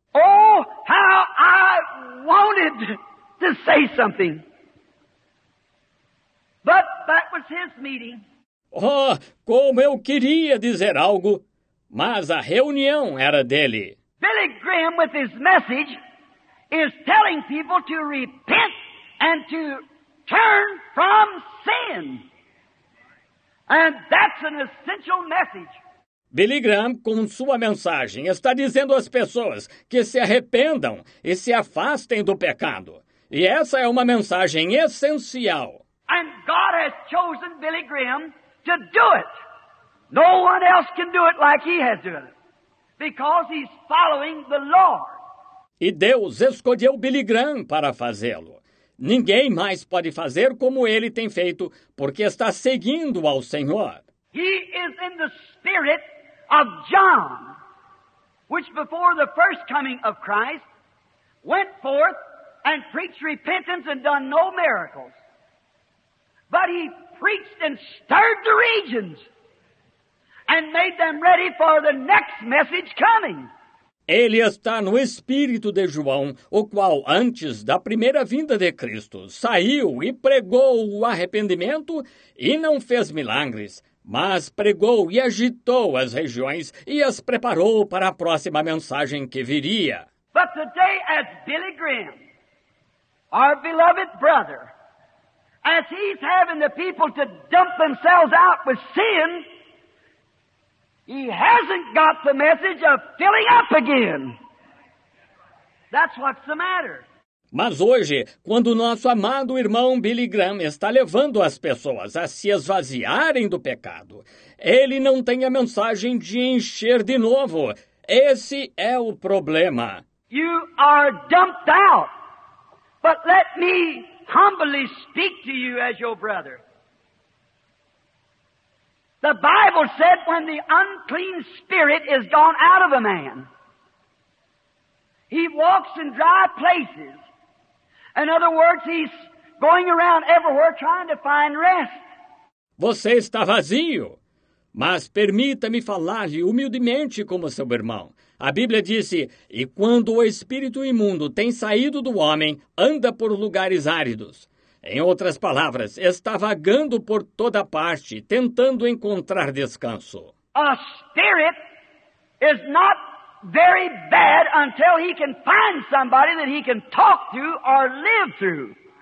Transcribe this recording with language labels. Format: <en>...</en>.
<en>Oh, how I wanted to say something. But that was his meeting.</en> <pt>Oh, como eu queria dizer algo, mas a reunião era dele.</pt> <en>Billy Graham, with his message, is telling people to repent and to turn from sin. And that's an essential message.</en> <pt>Billy Graham, com sua mensagem, está dizendo às pessoas que se arrependam e se afastem do pecado. E essa é uma mensagem essencial.</pt> <en>And God has chosen Billy Graham to do it. No one else can do it like he has done it. Because he's following the Lord.</en> <pt>E Deus escolheu Billy Graham para fazê-lo. Ninguém mais pode fazer como ele tem feito, porque está seguindo ao Senhor.</pt> <en>He is in the spirit of John, which before the first coming of Christ, went forth and preached repentance and done no miracles. But he preached and stirred the regions and made them ready for the next message coming.</en> <pt>Ele está no espírito de João, o qual antes da primeira vinda de Cristo saiu e pregou o arrependimento e não fez milagres, mas pregou e agitou as regiões e as preparou para a próxima mensagem que viria.</pt> <en>But today, as Billy Graham, our beloved brother, as he's having the people to dump themselves out with sin, he hasn't got the message of filling up again. That's what's the matter.</en> <pt>Mas hoje, quando nosso amado irmão Billy Graham está levando as pessoas a se esvaziarem do pecado, ele não tem a mensagem de encher de novo. Esse é o problema.</pt> <en>You are dumped out. But let me humbly speak to you as your brother. The Bible said when the unclean spirit is gone out of a man, he walks in dry places. In other words, he's going around everywhere trying to find rest.</en> <pt>Você está vazio, mas permita-me falar-lhe humildemente como seu irmão. A Bíblia disse, e quando o espírito imundo tem saído do homem, anda por lugares áridos. Em outras palavras, está vagando por toda parte, tentando encontrar descanso.</pt> <en>A spirit is not very bad until he can find somebody that he can talk to or live through.</en>